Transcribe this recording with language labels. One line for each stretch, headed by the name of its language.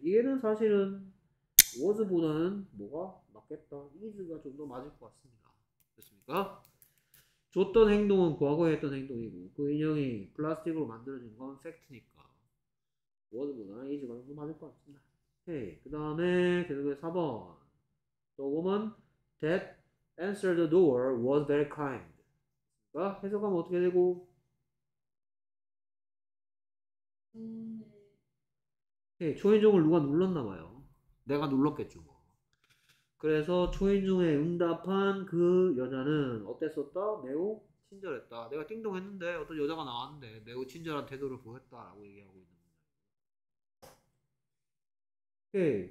Korean: 얘는 사실은 was보다는 뭐가 맞겠다. is가 좀더 맞을 것 같습니다. 됐습니까? 줬던 행동은 과거에 했던 행동이고 그 인형이 플라스틱으로 만들어진 건 팩트니까 was보다는 is가 좀더 맞을 것 같습니다. 오케이. 그 다음에 계속해서 4번.
English: The woman that answered the door was very kind.
Korean: 그러니까 해석하면 어떻게 되고? 오케이. 초인종을 누가 눌렀나 봐요. 내가 눌렀겠죠. 그래서 초인종에 응답한 그 여자는 어땠었다? 매우 친절했다. 내가 띵동했는데 어떤 여자가 나왔는데 매우 친절한 태도를 보였다라고 얘기하고 있는 거예요. 오케이.